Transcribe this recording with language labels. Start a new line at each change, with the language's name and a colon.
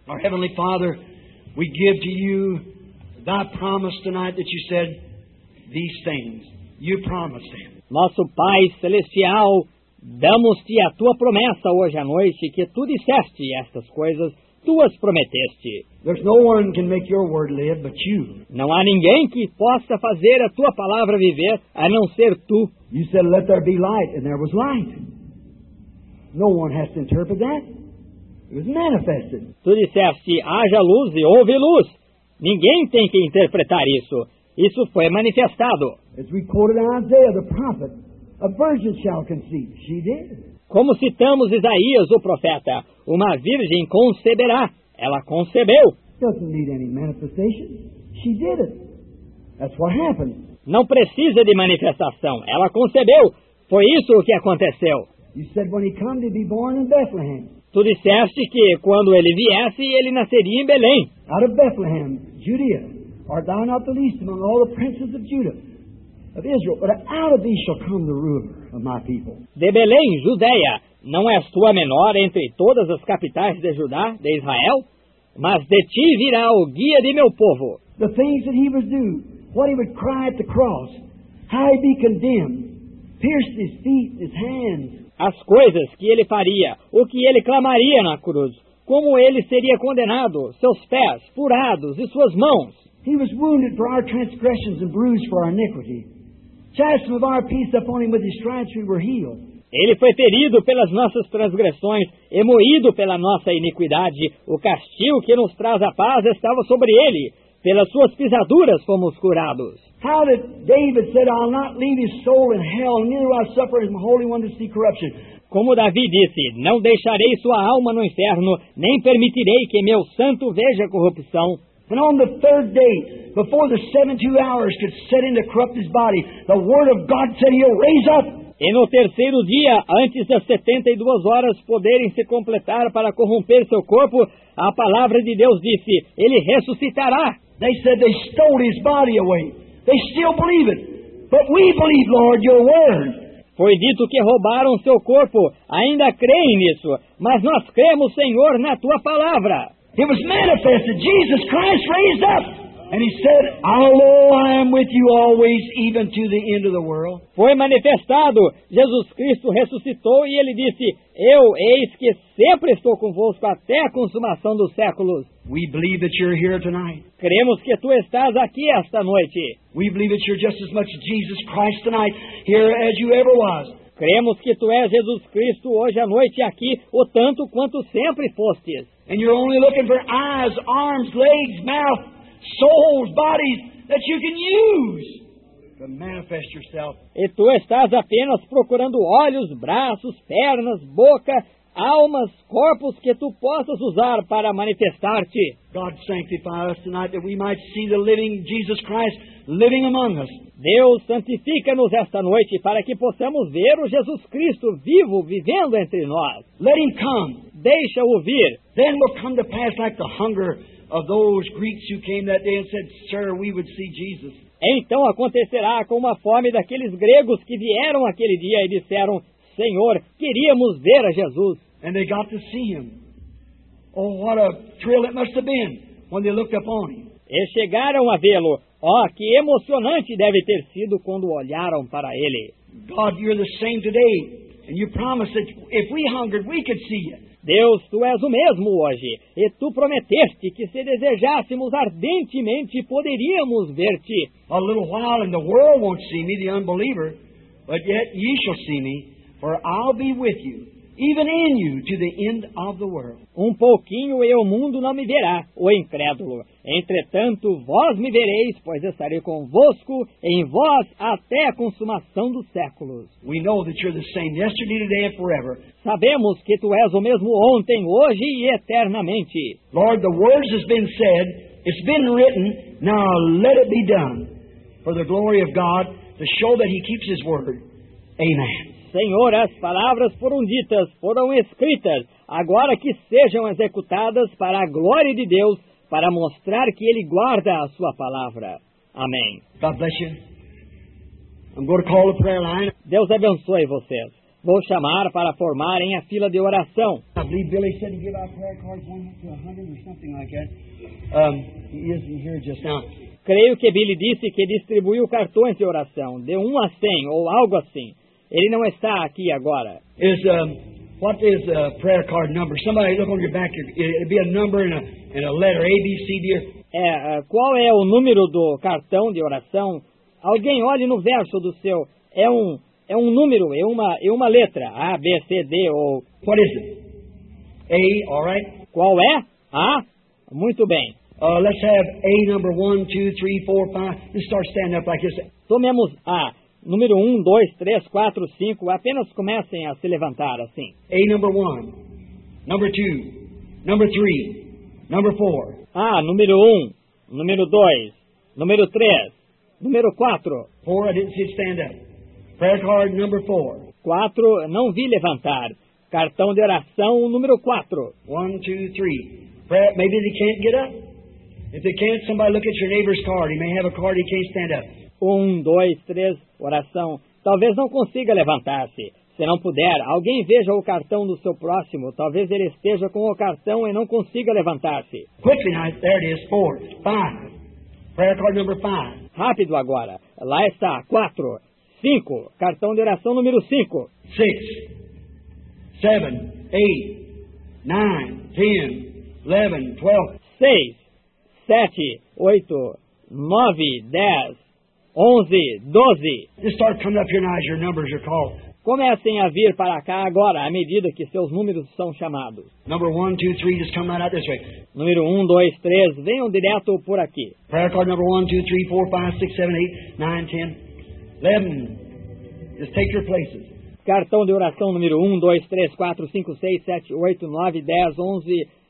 English: Our Heavenly Father, we give to you that promise tonight that you said these things. You promised him.
Portuguese: Nosso Pai Celestial, damos-te a tua promessa hoje à noite que tu disseste estas coisas tuas prometeste.
English: There's no one can make your word live but you.
Portuguese: Não há ninguém que possa fazer a tua palavra viver a não ser tu.
English: You said, let there be light, and there was light. No one has to interpret that. It was manifested.
Portuguese: Tu disseste, haja luz e houve luz. Ninguém tem que interpretar isso. Isso foi manifestado.
English: As we quoted in Isaiah, the prophet, a virgin shall conceive. She did.
Portuguese: Como citamos Isaías, o profeta, uma virgem conceberá. Ela concebeu.
English: Doesn't need any manifestation. She did it. That's what happened.
Portuguese: Não precisa de manifestação. Ela concebeu. Foi isso o que aconteceu.
English: You said when he come to be born in Bethlehem.
Portuguese: Tu disseste que quando ele viesse, ele nasceria em Belém.
English: Out of Bethlehem, Judea, art thou not the least among all the princes of Judah, of Israel? But out of thee shall come the ruler of my people.
Portuguese: De Belém, Judeia, não és tu a menor entre todas as capitais de Judá, de Israel? Mas de ti virá o guia de meu povo.
English: The things that he would do, what he would cry at the cross, how he'd be condemned, pierced his feet, his hands.
Portuguese: As coisas que ele faria, o que ele clamaria na cruz, como ele seria condenado, seus pés furados e suas mãos.
English: He was wounded for our transgressions and bruised for our iniquity. Chastened with our peace upon him, with his stripes we were healed.
Portuguese: Ele foi ferido pelas nossas transgressões e moído pela nossa iniquidade. O castigo que nos traz a paz estava sobre ele. Pelas suas pisaduras fomos curados.
English: How did David said, I'll not leave his soul in hell, neither will I suffer his holy one to see corruption.
Portuguese: Como Davi disse, não deixarei sua alma no inferno, nem permitirei que meu santo veja corrupção.
English: And on the third day, before the 72 hours could set in to corrupt his body, the word of God said he'll raise up.
Portuguese: E no terceiro dia, antes das 72 horas poderem se completar para corromper seu corpo, a palavra de Deus disse, ele ressuscitará.
English: They said they stole his body away. They still believe it. But we believe, Lord, your word.
Portuguese: Foi dito que roubaram seu corpo. Ainda creem nisso. Mas nós cremos, Senhor, na tua palavra.
English: It was manifested. Jesus Christ raised up. And he said, although I am with you always, even to the end of the world.
Portuguese: Foi manifestado. Jesus Cristo ressuscitou e ele disse, eu eis que sempre estou convosco até a consumação dos séculos.
English: We believe that you're here tonight.
Portuguese: Cremos que tu estás aqui esta noite.
English: We believe that you're just as much Jesus Christ tonight here as you ever was.
Portuguese: Cremos que tu és Jesus Cristo hoje à noite aqui, o tanto quanto sempre fostes.
English: And you're only looking for eyes, arms, legs, mouth. Souls, bodies that you can use to manifest yourself.
Portuguese: E tu estás apenas procurando olhos, braços, pernas, boca, almas, corpos que tu possas usar para manifestar-te.
English: God sanctify us tonight that we might see the living Jesus Christ living among us.
Portuguese: Deus, santifica-nos esta noite para que possamos ver o Jesus Cristo vivo, vivendo entre nós.
English: Let him come.
Portuguese: Deixa-o vir.
English: Then will come to pass like the hunger of those Greeks who came that day and said, sir, we would see Jesus.
Portuguese: Então acontecerá como a fome daqueles gregos que vieram aquele dia e disseram, Senhor, queríamos ver a Jesus.
English: And they got to see him. Oh, what a thrill it must have been when they looked upon him.
Portuguese: E chegaram a vê-lo. Oh, que emocionante deve ter sido quando olharam para ele.
English: God, you're the same today. And you promised that if we hungered, we could see you.
Portuguese: Deus, tu és o mesmo hoje, e tu prometeste que se desejássemos ardentemente, poderíamos ver-te.
English: A little while and the world won't see me, the unbeliever, but yet ye shall see me, for I'll be with you, even in you, to the end of the world.
Portuguese: Um pouquinho e o mundo não me verá, o incrédulo. Entretanto, vós me vereis, pois estarei convosco em vós até a consumação dos séculos.
English: We know that you're the same yesterday, today, and forever.
Portuguese: Sabemos que tu és o mesmo ontem, hoje e eternamente.
English: Lord, the words has been said, it's been written, now let it be done for the glory of God to show that he keeps his word. Amen.
Portuguese: Senhor, as palavras foram ditas, foram escritas, agora que sejam executadas para a glória de Deus, para mostrar que Ele guarda a sua palavra. Amém.
English: God bless you. I'm going to call the prayer line.
Portuguese: Deus abençoe vocês. Vou chamar para formarem a fila de oração.
English: I believe Billy said to give our prayer cards one to 100 or something like that. He isn't here just now.
Portuguese: Creio que Billy disse que distribuiu cartões de oração, de 1 a 100 ou algo assim. Ele não está aqui agora.
English: Is What is the prayer card number? Somebody look on your back. It'd be a number and a letter, A, B, C, D.
Portuguese: Qual é o número do cartão de oração? Alguém olhe no verso do seu. É um número, é uma letra. A, B, C, D, ou...
English: What is it? A, all right.
Portuguese: Qual é? A? Muito bem.
English: Let's have A number 1, 2, 3, 4, 5. Just start standing up like this.
Portuguese: Tomemos A. Número 1, 2, 3, 4, 5. Apenas comecem a se levantar assim.
English: A number 1. Number 2. Number 3. Number 4.
Portuguese: A, número 1. Número 2. Número 3. Número 4.
English: 4, I didn't see stand up. Prayer card number 4.
Portuguese: 4, não vi levantar. Cartão de oração número 4.
English: 1, 2, 3. Prayer, maybe they can't get up. If they can't, somebody look at your neighbor's card. He may have a card he can't stand up.
Portuguese: 1, 2, 3, oração. Talvez não consiga levantar-se. Se não puder, alguém veja o cartão do seu próximo. Talvez ele esteja com o cartão e não consiga levantar-se.
English: Quickly now, there it is. 4, 5. Prayer card number 5.
Portuguese: Rápido agora. Lá está. 4, 5. Cartão de oração número 5.
English: 6, 7, 8, 9, 10, 11, 12.
Portuguese: 6, 7, 8, 9, 10, 11, 12.
English: Just start coming up here now as your numbers are called.
Portuguese: Comecem a vir para cá agora, à medida que seus números são chamados.
English: Number 1, 2, 3, just come right out this way.
Portuguese: Número 1, 2, 3, venham direto por aqui.
English: Prayer card number 1, 2, 3, 4, 5, 6, 7, 8, 9, 10, 11. Just take your places.
Portuguese: Cartão de oração número 1, 2, 3, 4, 5, 6, 7, 8, 9, 10, 11.